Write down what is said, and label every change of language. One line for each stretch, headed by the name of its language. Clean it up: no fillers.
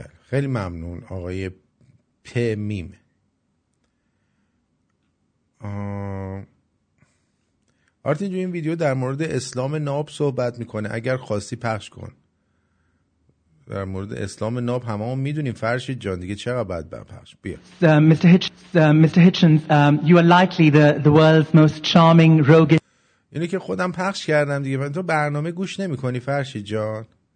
Persian: خیلی ممنون آقای پمیم. آرتین جو این ویدیو در مورد اسلام ناب صحبت میکنه، اگر خواستی پخش کن. در مورد اسلام ناب همه هم میدونیم فرشید جان دیگه، چقدر بد بپخش بیا.
English: Mr. Hitchens, you are likely the world's most charming rogue.
Persian: اینه که خودم پخش کردم دیگه، من تو برنامه گوش نمیکنی فرشید جان.